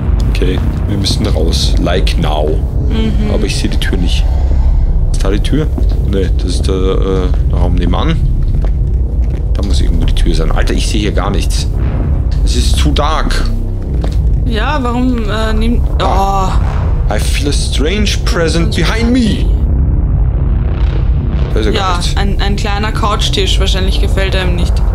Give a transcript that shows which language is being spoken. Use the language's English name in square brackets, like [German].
[German] Okay, wir müssen raus. [English] Like now. [German] Mm-hmm. Aber ich sehe die Tür nicht. Ist da die Tür? Ne, das ist der Raum nebenan. Da muss irgendwo die Tür sein. Alter, ich sehe hier gar nichts. Es ist zu dark. Ja, warum nimmt... Oh. Ah. [English] I feel a strange presence behind me. [German] Da ist er ja, gar nicht. Ein kleiner Couchtisch. Wahrscheinlich gefällt er ihm nicht.